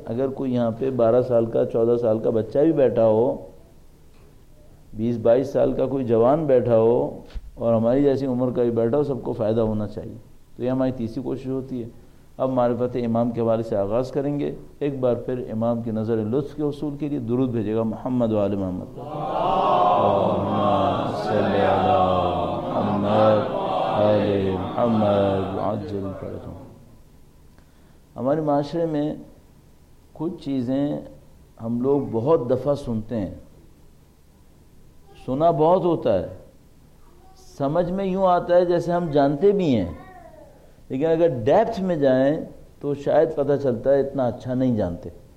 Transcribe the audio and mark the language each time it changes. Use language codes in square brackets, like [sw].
[ur] اگر کوئی یہاں پہ 12 سال کا 14 سال کا بچہ بھی بیٹھا ہو، 20-22 سال کا کوئی جوان بیٹھا ہو اور ہماری جیسی عمر کا بھی بیٹھا ہو، سب کو فائدہ ہونا چاہیے. تو یہ ہماری تیسری کوشش ہوتی ہے. اب معرفت امام کے حوالے سے آغاز کریں گے. ایک بار پھر امام کی نظر لطف کے حصول کے لیے درود بھیجے گا محمد و آل محمد. [ar] اللهم صل على محمد آل محمد وعجل فرجهم. [ur] ہمارے معاشرے میں کچھ چیزیں ہم لوگ بہت دفعہ سنتے ہیں, سنا بہت ہوتا ہے, سمجھ میں یوں آتا ہے جیسے ہم جانتے بھی ہیں, لیکن اگر ڈیپتھ میں جائیں تو شاید پتہ چلتا ہے اتنا اچھا نہیں جانتے.